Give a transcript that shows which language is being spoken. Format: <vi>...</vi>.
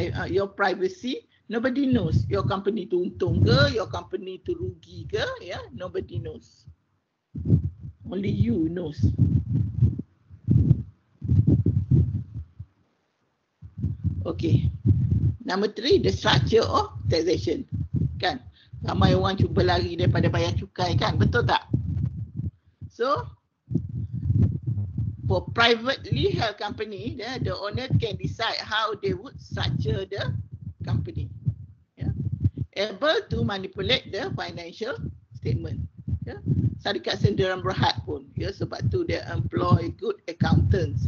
<en>Your privacy. Nobody knows your company</en> <ms>tu untung ke,</ms> <en>your company</en> <ms>tu rugi ke,</ms> <en>yeah? Nobody knows. Only you knows. Okay. Number three, the structure of taxation.</en> <ms>Kan? Ramai orang cuba lari daripada bayar cukai kan? Betul tak?</ms> <en>So, for privately held company, the owner can decide how they would structure the company. Able to manipulate the financial statement. Yeah.</en> <ms>Syarikat Sdn Bhd pun. Yeah, sebab tu</ms> <en>they employ good accountants.</en>